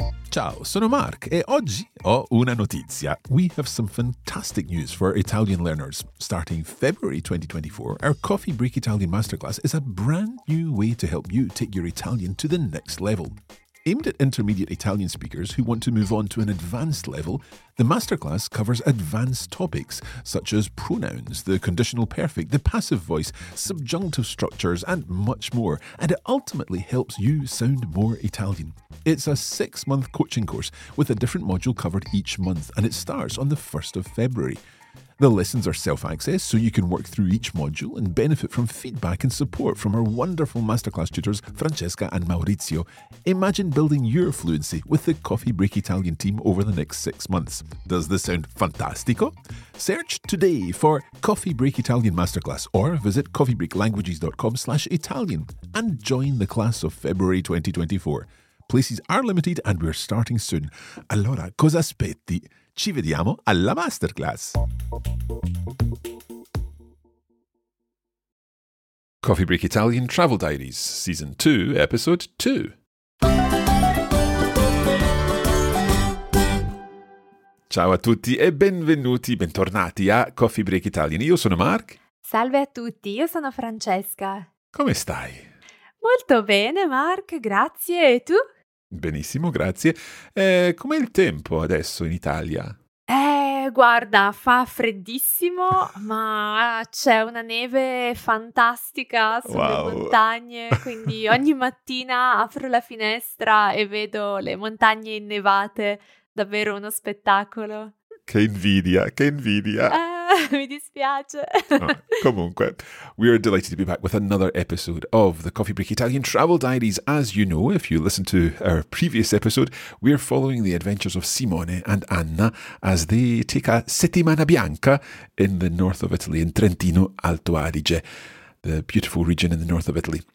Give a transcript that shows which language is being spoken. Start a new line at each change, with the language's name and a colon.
Italian: Ciao, sono Mark e oggi ho una notizia.
English: We have some fantastic news for Italian learners. Starting February 2024, our Coffee Break Italian Masterclass is a brand new way to help you take your Italian to the next level. Aimed at intermediate Italian speakers who want to move on to an advanced level, the masterclass covers advanced topics such as pronouns, the conditional perfect, the passive voice, subjunctive structures, and much more, and it ultimately helps you sound more Italian. It's a six-month coaching course with a different module covered each month, and it starts on the 1st of February. The lessons are self-access, so you can work through each module and benefit from feedback and support from our wonderful masterclass tutors, Francesca and Maurizio. Imagine building your fluency with the Coffee Break Italian team over the next 6 months. Does this sound fantastico? Search today for Coffee Break Italian Masterclass or visit coffeebreaklanguages.com/Italian and join the class of February 2024. Places are limited and we're starting soon.
Italian: Allora, cosa aspetti? Ci vediamo alla masterclass.
English: Coffee Break Italian Travel Diaries, Season 2, Episode 2.
Italian: Ciao a tutti e benvenuti, bentornati a Coffee Break Italian. Io sono Mark. Salve a tutti, io sono Francesca. Come stai? Molto bene, Mark, grazie. E tu? Benissimo, grazie. Com'è il tempo adesso in Italia? Guarda, fa freddissimo, ma c'è una neve fantastica sulle montagne, quindi ogni mattina apro la finestra e vedo le montagne innevate, davvero uno spettacolo. Che invidia, che invidia. Mi dispiace. Comunque,
English: we are delighted to be back with another episode of the Coffee Break Italian Travel Diaries. As you know, if you listened to our previous episode, we are following the adventures of Simone and Anna as they take a
Italian: settimana bianca
English: in the north of Italy, in Trentino Alto Adige, the beautiful region in the north of Italy.